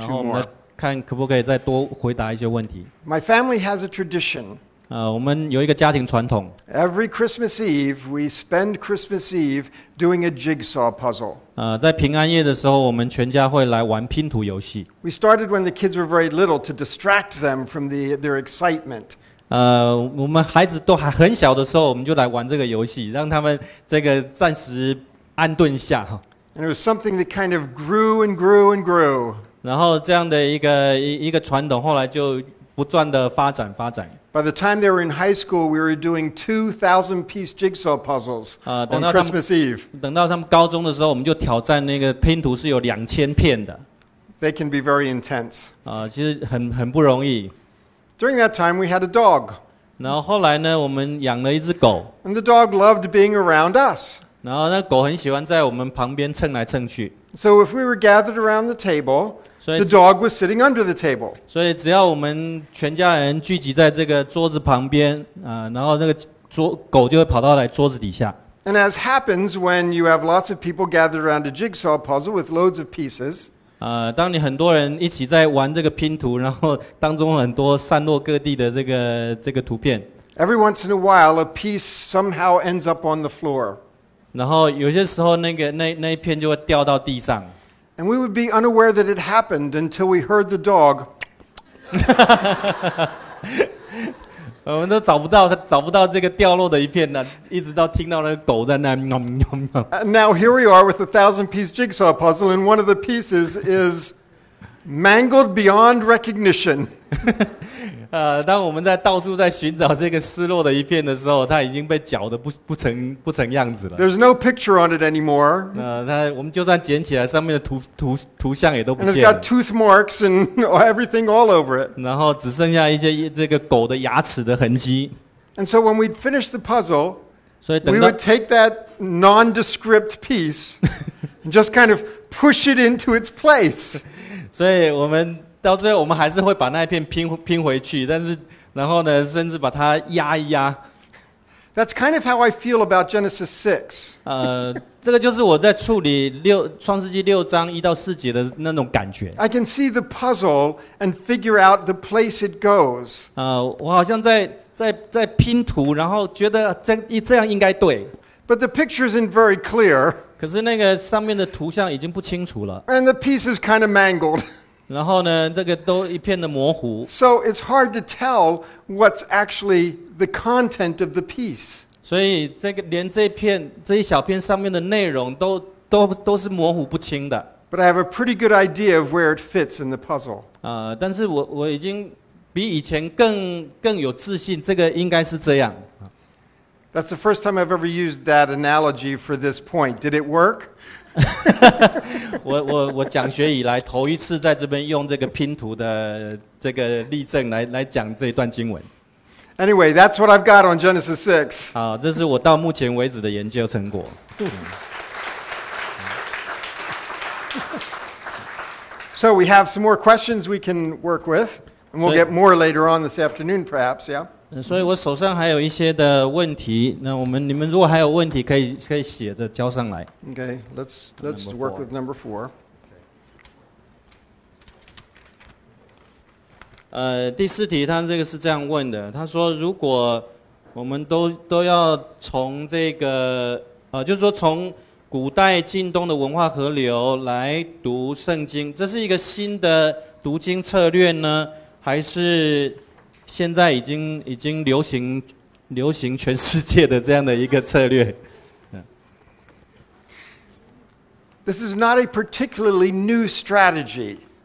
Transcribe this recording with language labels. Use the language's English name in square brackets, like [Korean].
[Chinese] 然后我们看可不可以再多回答一些问题。 [English] My family has a tradition. [Chinese] 我们有一个家庭传统。 [English] Every Christmas Eve, we spend Christmas Eve doing a jigsaw puzzle. [Chinese] 在平安夜的时候，我们全家会来玩拼图游戏。 [English] We started when the kids were very little to distract them from their excitement. [Chinese] 我们孩子都还很小的时候，我们就来玩这个游戏，让他们这个暂时安顿下。 [English] And it was something that kind of grew and grew and grew. [Chinese] 然后这样的一个传统，后来就不断的发展。 [English] By the time they were in high school, we were doing 2,000-piece jigsaw puzzles on Christmas Eve. [Chinese] 等到他们高中的时候，我们就挑战那个拼图是有2000片的。 [English] They can be very intense. [Chinese] 其实很不容易。 [English] During that time, we had a dog. [Chinese] 然后后来呢，我们养了一只狗。 [English] And the dog loved being around us. [Chinese] 然后那狗很喜欢在我们旁边蹭来蹭去。 [English] So if we were gathered around the table, the dog was sitting under the table. [Chinese] 所以只要我们全家人聚集在这个桌子旁边，然后那个狗就会跑到来桌子底下。 [English] And as happens when you have lots of people gathered around a jigsaw puzzle with loads of pieces, [Chinese] 当你很多人一起在玩这个拼图，然后当中很多散落各地的这个图片。 [English] Every once in a while, a piece somehow ends up on the floor. [Chinese] 然后有些时候那一片就会掉到地上。 [English] And we would be unaware that it happened until we heard the dog. [Chinese] 我们都找不到这个掉落的一片呢，一直到听到那个狗在那喵喵喵。 [English] Now here we are with a 1,000-piece jigsaw puzzle, and one of the pieces is mangled beyond recognition. [Chinese] 当我们在到处在寻找这个失落的一片的时候，它已经被搅得不成样子了。 [English] There's no picture on it anymore. [Chinese] 我们就算捡起来，上面的图像也都不见了。 [English] And it's got tooth marks and everything all over it. [Chinese] 然后只剩下一些这个狗的牙齿的痕迹。 [English] And so when we'd finish the puzzle, [Chinese] 所以等到 [English] we would take that nondescript piece and just kind of push it into its place. [Chinese] 所以我们到最后我们还是会把那一片 拼回去，但是然后呢甚至把它压一压。 [English] That's kind of how I feel about Genesis 6. [Chinese] 这个就是我在处理创世纪六章一到四节的那种感觉。 [English] I can see the puzzle and figure out the place it goes. [Chinese] 我好像在拼图，然后觉得这样应该对。 [English] But the picture isn't very clear. [Chinese] 可是那个上面的图像已经不清楚了。 [English] And the piece is kind of mangled. [Chinese] 然后呢，这个都一片的模糊。 [English] So it's hard to tell what's actually the content of the piece. [Chinese] 所以这个连这一小片上面的内容都是模糊不清的。 [English] But I have a pretty good idea of where it fits in the puzzle. [Chinese] 但是我已经比以前更有自信，这个应该是这样。 [English] That's the first time I've ever used that analogy for this point. Did it work? [Chinese] 我讲学以来头一次在这边用这个拼图的这个例证来讲这一段经文。 [English] Anyway, that's what I've got on Genesis 6. [Chinese] 好，这是我到目前为止的研究成果。 [English] So we have some more questions we can work with, and we'll get more later on this afternoon, perhaps. Yeah. [Chinese] 所以我手上还有一些的问题，那你们如果还有问题可以写的交上来。 [English] Okay, let's work with number four. [Chinese] 第四题他这个是这样问的，他说如果我们都要从这个就是说从古代近东的文化河流来读圣经，这是一个新的读经策略呢，还是现在已经流行全世界的这样的一个策略。 [English] This is not a particularly new strategy.